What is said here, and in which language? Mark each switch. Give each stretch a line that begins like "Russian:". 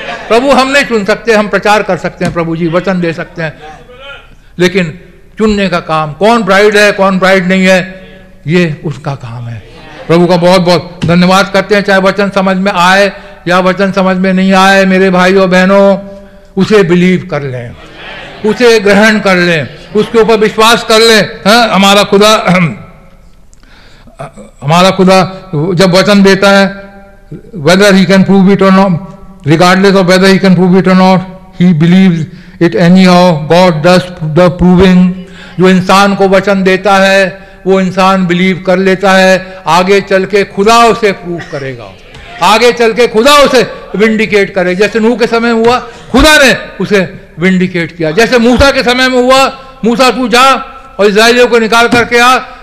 Hindi: प्रभु हम नहीं चुन सकते, हम प्रचार कर सकते हैं प्रभु जी, वचन दे सकते हैं, लेकिन चुनने का काम, कौन ब्राइड है कौन ब्राइड नहीं है, ये उसका काम है। प्रभु का बहुत बहुत धन्यवाद करते हैं, चाहे वचन समझ में आए या वचन समझ में नहीं आए, मेरे भाई और बहनों उसे बिलीव कर लें, उसे ग्रहण कर लें, उसके ऊपर विश्वास कर लें। हमारा खुदा जब वचन देता है,
English: whether he can prove it or not, regardless of whether he can prove it or not, he believes it anyhow, God does the proving.
Hindi: जो इंसान को वचन देता है वो इंसान बिलीव कर लेता है, आगे चल के खुदा उसे प्रूव करेगा, आगे चल के खुदा उसे विंडिकेट करेगा। जैसे नूह के समय हुआ, खुदा ने उसे विंडिकेट किया। जैसे मूसा के समय में हुआ, मूसा तू जा और इसराइलियों को निकाल करके आ।